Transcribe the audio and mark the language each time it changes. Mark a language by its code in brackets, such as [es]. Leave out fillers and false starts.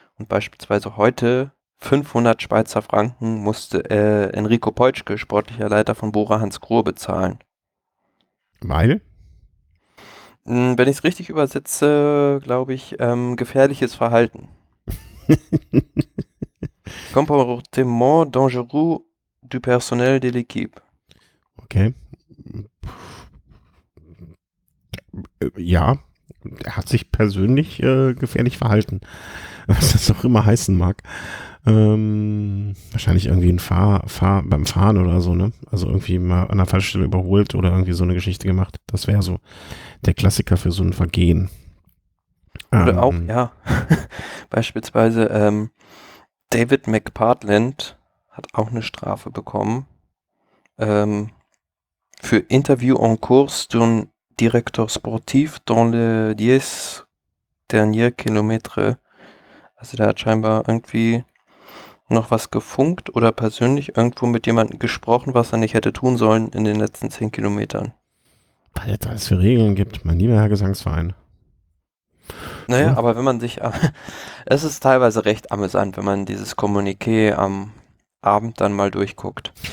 [de] Und beispielsweise heute 500 Schweizer Franken musste Enrico Peutschke, sportlicher Leiter von Bora Hansgrohe, bezahlen. Weil? Wenn ich es richtig übersetze, glaube ich, gefährliches Verhalten. [fr] Comportement dangereux du personnel de l'équipe. [de] Okay. Ja, er hat sich persönlich gefährlich verhalten, was das auch immer heißen mag. Wahrscheinlich irgendwie beim Fahren oder so, ne? Also irgendwie mal an der Fallstelle überholt oder irgendwie so eine Geschichte gemacht. Das wäre so der Klassiker für so ein Vergehen. Oder auch, ja. Beispielsweise David McPartland hat auch eine Strafe bekommen. [fr] Für Interview en course d'un directeur sportif dans les 10 derniers kilomètres. [de] Also der hat scheinbar irgendwie noch was gefunkt oder persönlich irgendwo mit jemandem gesprochen, was er nicht hätte tun sollen in den letzten 10 Kilometern. Weil es alles für Regeln gibt, mein lieber Herr Gesangsverein. Naja, aber wenn man sich, es ist teilweise recht amüsant, wenn man dieses Kommuniqué am Abend dann mal durchguckt.